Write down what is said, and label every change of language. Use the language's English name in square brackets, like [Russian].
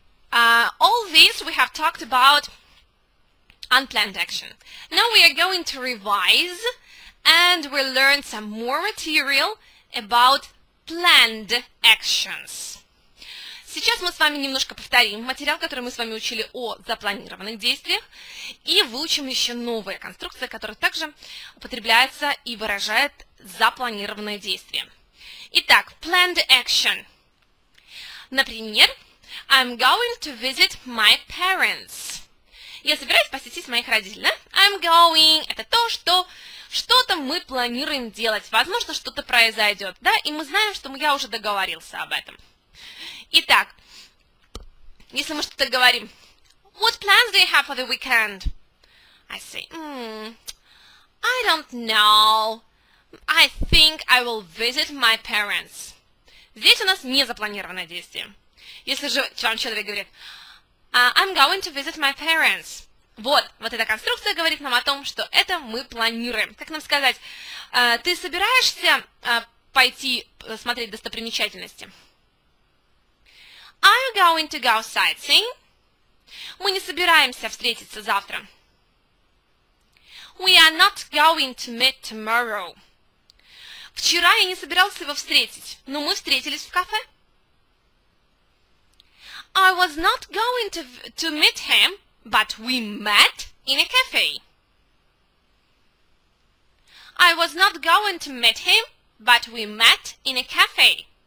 [English] All these we have talked about unplanned action. Now we are going to revise and we'll learn some more material about planned actions. [Russian] Сейчас мы с вами немножко повторим материал, который мы с вами учили о запланированных действиях, и выучим еще новые конструкции, которые также употребляются и выражают запланированное действие. Итак, [English] planned action. [Russian] Например, [English] I'm going to visit my parents. [Russian] Я собираюсь посетить моих родителей, да? [English] I'm going. [Russian] Это то, что что-то мы планируем делать. Возможно, что-то произойдет, да? И мы знаем, что я уже договорился об этом. Итак, если мы что-то говорим. [English] What plans do you have for the weekend? I say, I don't know. I think I will visit my parents. [Russian] Здесь у нас незапланированное действие. Если же вам человек говорит, [English] I'm going to visit my parents. [Russian] Вот эта конструкция говорит нам о том, что это мы планируем. Как нам сказать, ты собираешься пойти смотреть достопримечательности? [English] Are you going to go sightseeing? [Russian] Мы не собираемся встретиться завтра. [English] We are not going to meet tomorrow. [Russian] Вчера я не собирался его встретить, но мы встретились в кафе. [English] I was not going to meet him, but we met in a cafe. I was not going to meet him, but we met in a cafe.